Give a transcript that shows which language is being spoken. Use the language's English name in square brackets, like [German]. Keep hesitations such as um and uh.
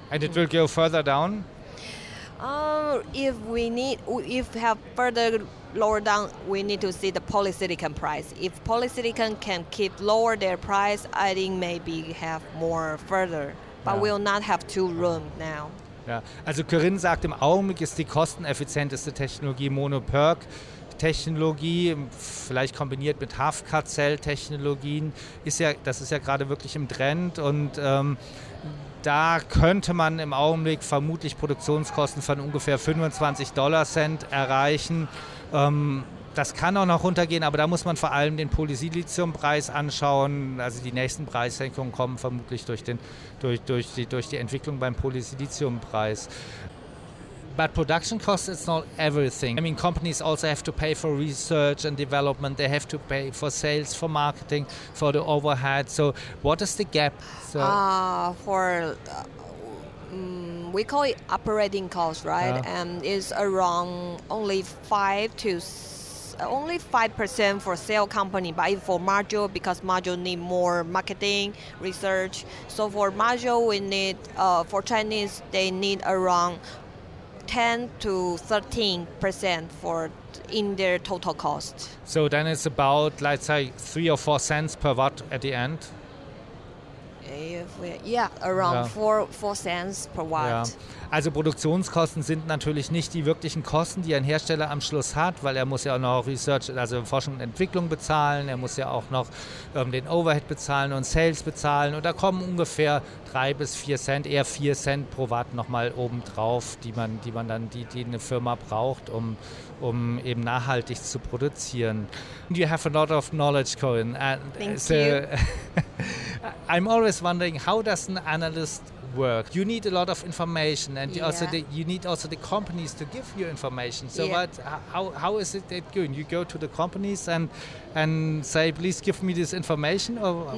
[English] And it will go further down? Uh, if we need, if have further lower down, we need to see the polysilicon price. If polysilicon can keep lower their price, I think maybe have more further. But Yeah. we'll not have two room now. [German] Ja. Also Corinne sagt, im Augenblick ist die kosteneffizienteste Technologie Monoperc. Technologie, vielleicht kombiniert mit HFK-Zell-Technologien, ist ja, das ist ja gerade wirklich im Trend und ähm, da könnte man im Augenblick vermutlich Produktionskosten von ungefähr 25 Dollar Cent erreichen. Ähm, das kann auch noch runtergehen, aber da muss man vor allem den Polysiliziumpreis anschauen. Also die nächsten Preissenkungen kommen vermutlich durch, den, durch, durch, die, durch die Entwicklung beim Polysiliziumpreis. [English] but production costs it's not everything i mean companies also have to pay for research and development they have to pay for sales for marketing for the overhead so what is the gap so uh, for uh, mm, we call it operating costs right Yeah. and it's around only 5 to s- only 5% for sale company but if for module because module need more marketing research so for module we need uh, for chinese they need around 10 to 13 percent for in their total cost. so then it's about let's say three or four cents per watt at the end If we- yeah, around Yeah. four four cents per [German] Ja. [English] watt. [German] Also Produktionskosten sind natürlich nicht die wirklichen Kosten, die ein Hersteller am Schluss hat, weil er muss ja auch noch Research, also Forschung und Entwicklung bezahlen, er muss ja auch noch ähm, den Overhead bezahlen und Sales bezahlen und da kommen ungefähr drei bis vier Cent, eher vier Cent pro Watt nochmal obendrauf, die man, die man dann, die, die eine Firma braucht, um, um eben nachhaltig zu produzieren. [English] You have a lot of knowledge, Corinne. And Thank so- you. I'm always wondering how does an analyst work? You need a lot of information, and you also Yeah. the, you need also the companies to give you information. So Yeah. what? How, how is it that going? You go to the companies and and say, please give me this information, or what